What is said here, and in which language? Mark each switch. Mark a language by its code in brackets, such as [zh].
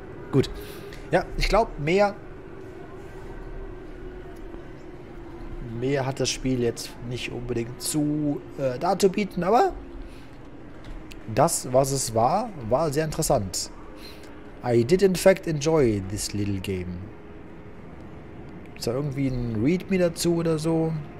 [de] Gut. Ja, ich glaube, mehr hat das Spiel jetzt nicht unbedingt zu dazu bieten, aber das, was es war, war sehr interessant. [en] I did in fact enjoy this little game. [de] Ist da irgendwie ein Readme dazu oder so?